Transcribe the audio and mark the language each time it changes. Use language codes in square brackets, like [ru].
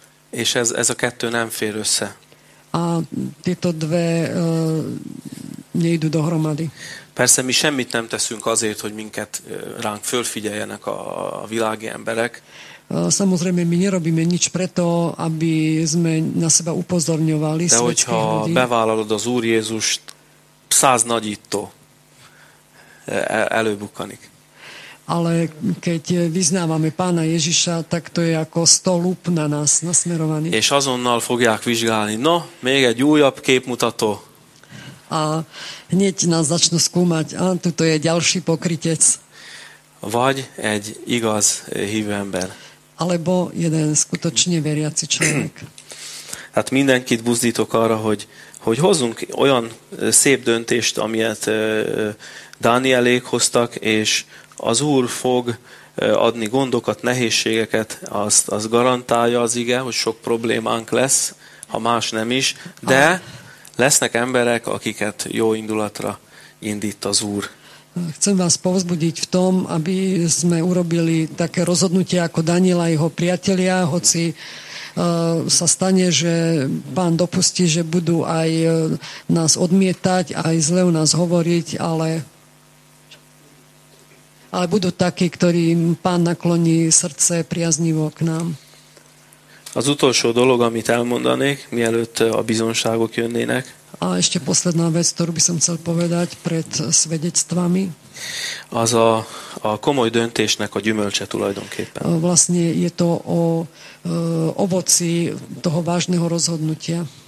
[hu] És ez a kettő nem fér össze. [sk] A tieto dve nejdu dohromady. [hu] Persze mi semmit nem teszünk azért, hogy minket ránk fölfigyeljenek a világi emberek. [sk] Samozrejme mi nerobíme nič preto, aby sme na seba upozorňovali svetských ľudí. [hu] De hogyha bevállalod az Úr Jézust, 100 nagyító előbukkanik. [sk] Ale keď vyznávame Pána Ježiša, tak to je ako 100 lup na nás nasmerovaný. [hu] És azonnal fogják vizsgálni. No, még egy újabb képmutató. [sk] A hneď nás začnú skúmať. A tuto je ďalší pokrytec. [hu] Vagy egy igaz hívő ember. [sk] Alebo jeden skutočne veriaci človek. [hu] Hát mindenkit buzdítok arra, hogy hozzunk olyan szép döntést, amilyet Dánielék hoztak, és az Úr fog adni gondokat, nehézségeket, az garantálja az ige, hogy sok problémánk lesz, ha más nem is, de lesznek emberek, akiket jó indulatra indít az Úr. [sk] Chcem vás povzbudiť v tom, aby sme urobili také rozhodnutie ako Daniela a jeho priatelia, hoci sa stane, že pán dopustí, že budú aj nás odmietať, aj zle u nás hovoriť, ale budú takí, ktorým pán nakloní srdce priaznivo k nám. [hu] Az utolsó dolog, amit elmondanék, mielőtt a bizonságok jönnének. [sk] A ešte posledná vec, ktorú by som chcel povedať pred svedectvami. [hu] Az a komoly döntésnek a gyümölcse tulajdonképpen. [sk] Vlastne je to o ovoci toho vážneho rozhodnutia.